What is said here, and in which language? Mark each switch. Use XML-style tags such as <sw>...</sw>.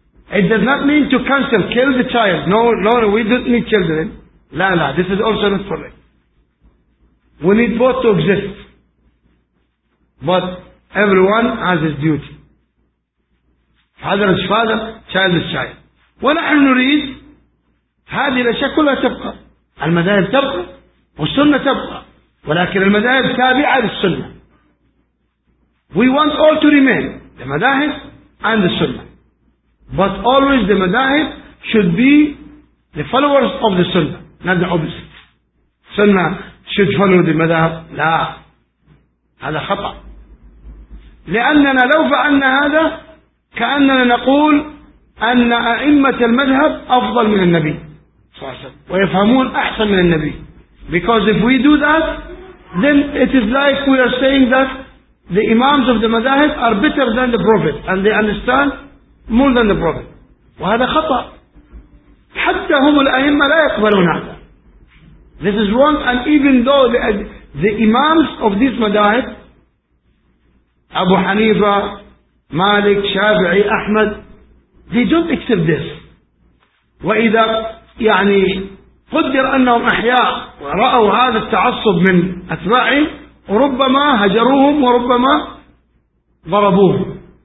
<en>It does not mean to cancel, kill the child. No, no, we don't need children. La, this is also not for me. We need both to exist. But everyone has his duty. Father is father, child is child.</en> <ar>ونحن نريد هذه الأشياء كلها تبقى. المذاهب تبقى والسنة تبقى. ولكن المذاهب تابعة للسنة.</ar> <en>We want all to remain. The madahib and the sunnah. But always the madahib should be the followers of the sunnah. Not the opposite. Sunnah should follow the madhab.</en> <ar>لا. هذا خطأ. لأننا لو فعلنا هذا كأننا نقول أن أئمة المذهب أفضل من النبي صلى الله عليه وسلم ويفهمون أحسن من النبي.</ar> <en>Because if we do that, then it is like we are saying that the imams of the madhab are better than the prophet and they understand more than the prophet.</en> <ar>وهذا خطأ. حتى هم الأئمة لا يقبلون هذا.</ar> <en>This is wrong, and even though the imams of this madahib, Abu Hanifa, Malik, Shafi'i, Ahmad, they don't accept this.</en> <ar>وإذا يعني قدر أنهم أحياء ورأوا هذا التعصب من أتباعي ربما هجروهم وربما ضربوهم.</ar>